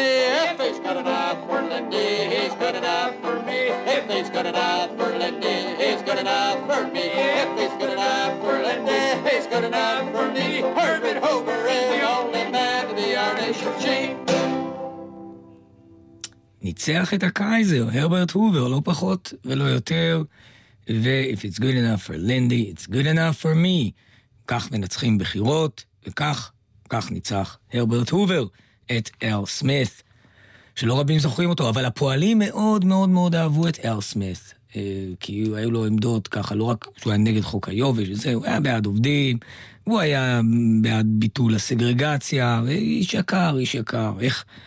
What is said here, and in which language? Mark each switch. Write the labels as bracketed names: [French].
[English] If he's good enough for Lindy, he's good enough for me. If he's good enough for Lindy, he's good enough for me. If he's good enough for Lindy, he's good enough for me. Herbert Hoover is the only man to be our nation's chief. [Hebrew] ניצח את הקייזר, הרברט הובר, לא פחות ולא יותר. [English] ו-If it's good enough for Lindy, it's good enough for me. [Hebrew] כך מנצחים בחירות, וכך, כך ניצח הרברט הובר, את אל סמית', שלא רבים זוכרים אותו, אבל הפועלים מאוד מאוד מאוד אהבו את אל סמית', כי היו לו עמדות ככה, לא רק שהוא היה נגד חוק היובש, הוא היה בעד עובדים, הוא היה בעד ביטול הסגרגציה, איש יקר, איש יקר, איך...